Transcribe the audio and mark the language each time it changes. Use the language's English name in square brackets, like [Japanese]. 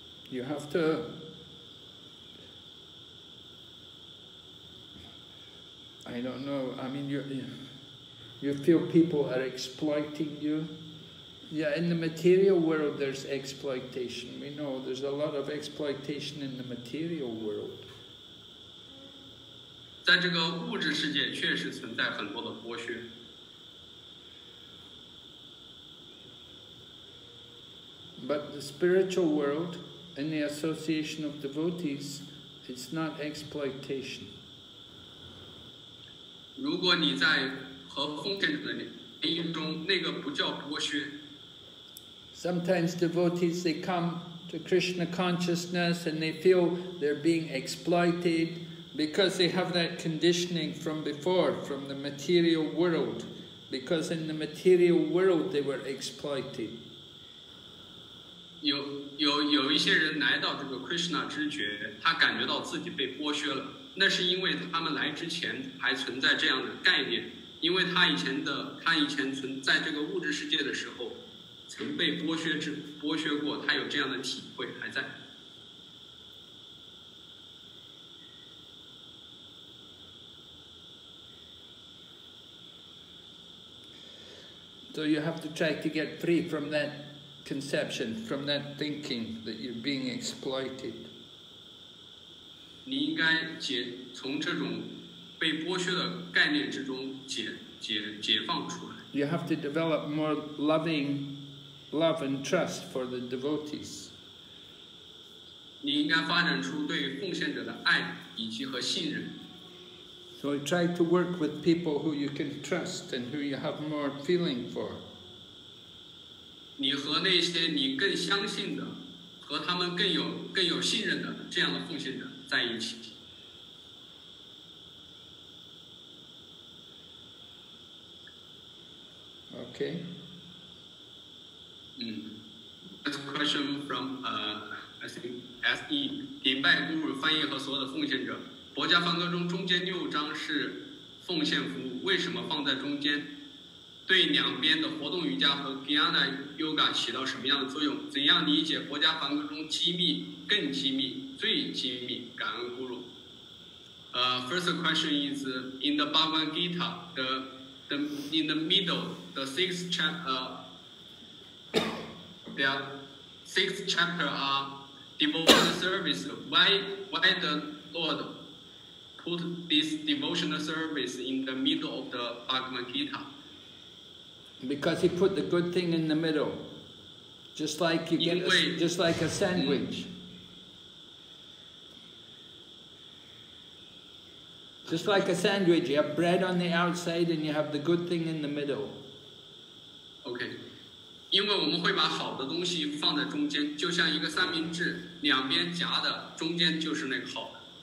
[English] You have to I don't know, I mean you feel people are exploiting you. Yeah, in the material world there's exploitation. We know there's a lot of exploitation in the material world. [Chinese] 在这个物质世界确实存在很多的剥削。 [English] But the spiritual worldIn the association of devotees, it's not exploitation. [Chinese] 如果你在和奉献者的联谊中，那个不叫剥削。 [English] Sometimes devotees, they come to Krishna consciousness and they feel they're being exploited because they have that conditioning from before, from the material world. Because in the material world, they were exploited. [Chinese] 有一些人来到这个 Krishna 知觉，他感觉到自己被剥削了。那是因为他们来之前还存在这样的概念，因为他以前存在这个物质世界的时候，曾被剥削过，他有这样的体会还在。 [English] So you have to try to get free from that. Conception from that thinking that you're being exploited. [Chinese] 你应该解从这种被剥削的概念之中解放出来。 [English] You have to develop more loving love and trust for the devotees. [Chinese] 你应该发展出对奉献者的爱以及和信任。 [English] So try to work with people who you can trust and who you have more feeling for. [Chinese] 你和那些你更相信的，和他们更有信任的这样的奉献者在一起。 [English] Okay. That's a question from SE [Chinese] 顶拜孤儒翻译和所有的奉献者。薄伽梵歌中中间六章是奉献服务，为什么放在中间？对两边的活动瑜伽和 Gyana Yoga 起到什么样的作用？怎样理解薄伽梵歌中机密、更机密、最机密？感恩孤儒。 [English] First question is in the Bhagavad Gita, in the middle, the sixth chapter, there are six chapter are devotional service. Why the Lord put this devotional service in the middle of the Bhagavad Gita? Because he put the good thing in the middle, just like you get just like a sandwich. Just like a sandwich, you have bread on the outside and you have the good thing in the middle. Okay. [Chinese] 因为我们会把好的东西放在中间，就像一个三明治，两边夹的，中间就是那个好的。